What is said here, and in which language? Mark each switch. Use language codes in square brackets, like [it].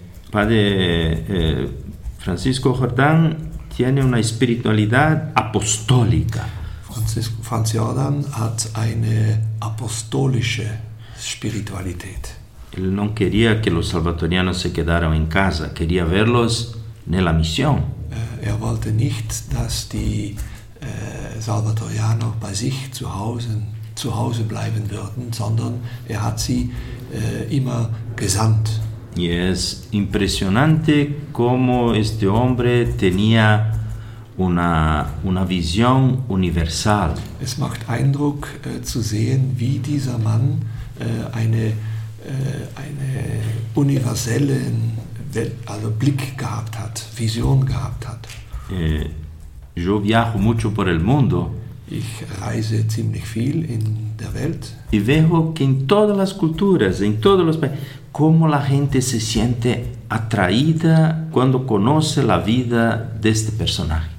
[es] Padre Francisco Jordan tiene una espiritualidad apostólica. [de] Franz Jordan hat eine apostolische Spiritualität. [es] Él no quería que los salvatorianos se quedaran en casa, quería verlos [it] nella missione. [de] Er wollte nicht, dass die Salvatorianer bei sich zu Hause bleiben würden, sondern er hat sie immer gesandt. [es] Y es impresionante cómo este hombre tenía una visión universal. [de] Es macht Eindruck zu sehen, wie dieser Mann eine eine universelle Welt, also Blick gehabt hat, Vision gehabt hat. [es] Yo viajo mucho por el mundo. [de] Ich reise ziemlich viel in der Welt. [es] Y veo que en todas las culturas, en todos los países, cómo la gente se siente atraída cuando conoce la vida de este personaje.